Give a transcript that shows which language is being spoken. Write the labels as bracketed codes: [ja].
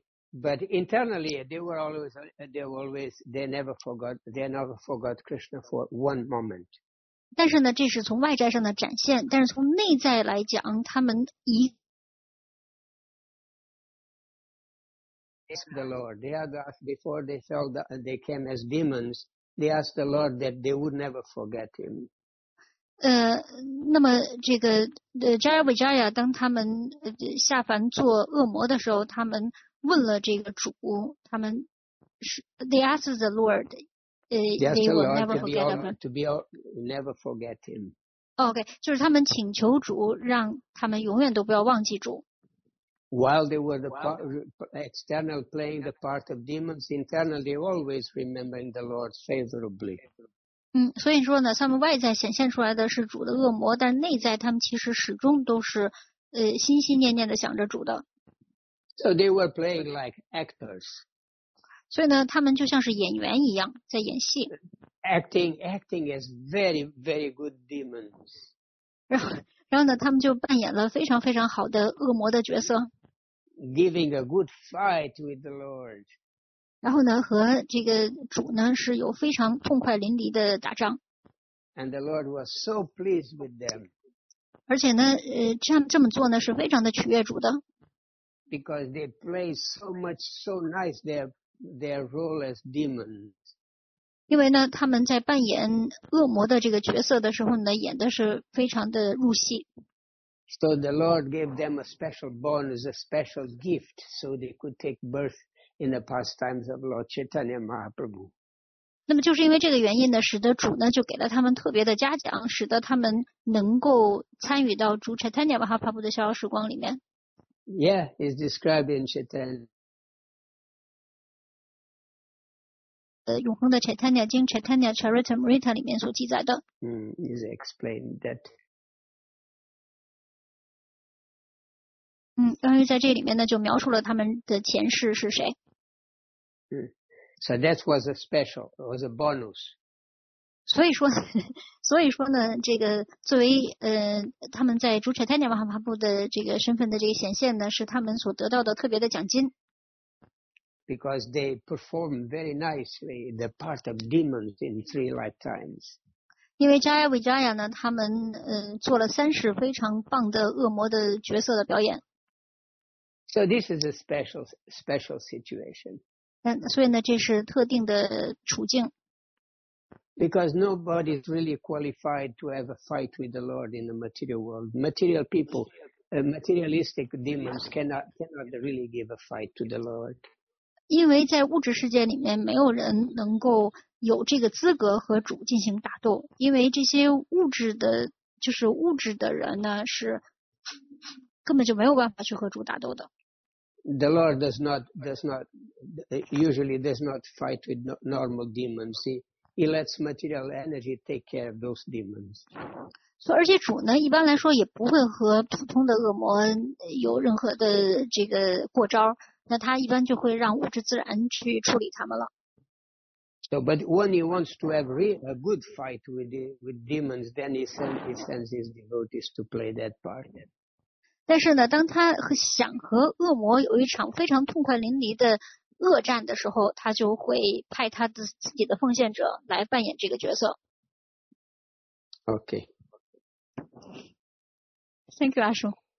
[en] But internally, they never forgot Krishna for one moment. [zh] 但是呢，这是从外在上的展现，但是从内在来讲，他们一。 [en] Ask the Lord. They asked before they fell, they came as demons. They asked the Lord that they would never forget him. [zh] 那么这个Jaya Vijaya, 当他们下凡做恶魔的时候，他们问了这个主，他们是 [en] they asked the Lord, they will never forget him. [zh] Okay, 就是他们请求主让他们永远都不要忘记主。 [en] While they were the part, external playing the part of demons, internally they always remembering the Lord favorably. [zh] 所以说呢，他们外在显现出来的是主的恶魔，但内在他们其实始终都是心心念念的想着主的。 [en] So they were playing like actors. [zh] 所以呢，他们就像是演员一样在演戏。 [en] Acting as very, very good demons. [zh] 然后呢，他们就扮演了非常非常好的恶魔的角色。 [en] Giving a good fight with the Lord. [zh] 然后呢，和这个主呢是有非常痛快淋漓的打仗。 [en] And the Lord was so pleased with them. [zh] 而且呢，这么做呢是非常的取悦主的。 [en] Because they play so much, so nice their role as demons. [zh] 因为呢，他们在扮演恶魔的这个角色的时候呢，演的是非常的入戏。 [en] So the Lord gave them a special bonus, a special gift, so they could take birth in the pastimes of Lord Chaitanya Mahaprabhu. [zh] 那么就是因为这个原因呢，使得主呢就给了他们特别的嘉奖，使得他们能够参与到主 Chaitanya Mahaprabhu 的逍遥时光里面。 [en] Yeah, it's described in Chaitanya. [zh] 永恒的 Chaitanya 经 Chaitanya Charitamrita 里面所记载的。 [en] Is explained that. [zh] 关于在这里面呢，就描述了他们的前世是谁。 [en] So that was a special, it was a bonus. [zh] 所以说呢，这个作为他们在主 Chaitanya Mahaprabhu 的这个身份的这个显现呢，是他们所得到的特别的奖金。 [en] Because they perform very nicely the part of demons in three lifetimes. [zh] 因为 Jaya Vijaya 呢，他们做了三世非常棒的恶魔的角色的表演。 [en] So this is a special situation. [zh] 所以呢，这是特定的处境。 [en] Because nobody is really qualified to have a fight with the Lord in the material world. Material people, materialistic demons cannot really give a fight to the Lord. [zh] 因为在物质世界里面，没有人能够有这个资格和主进行打斗。因为这些物质的人呢，是根本就没有办法去和主打斗的。 [en] The Lord does not usually fight with normal demons. He lets material energy take care of those demons. [zh] So, 而且主呢，一般来说也不会和普通的恶魔有任何的这个过招。那他一般就会让物质自然去处理他们了。 [en] So, but when he wants to have a good fight with demons, then he sends his devotees to play that part. [zh] 但是呢，当他想和恶魔有一场非常痛快淋漓的恶战的时候，他就会派他的自己的奉献者来扮演这个角色。 [en] Okay. Thank you, Ashu.